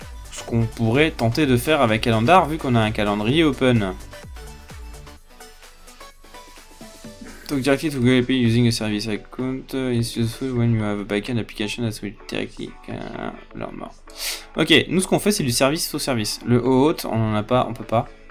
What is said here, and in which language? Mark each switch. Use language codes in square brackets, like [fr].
[fr] Ce qu'on pourrait tenter de faire avec Calendar, vu qu'on a un calendrier open. [en] Talk directly to Google API using a service account is useful when you have a backend application that will directly learn more. [fr] Ok, nous ce qu'on fait c'est du service au service. Le auth, on en a pas, on peut pas.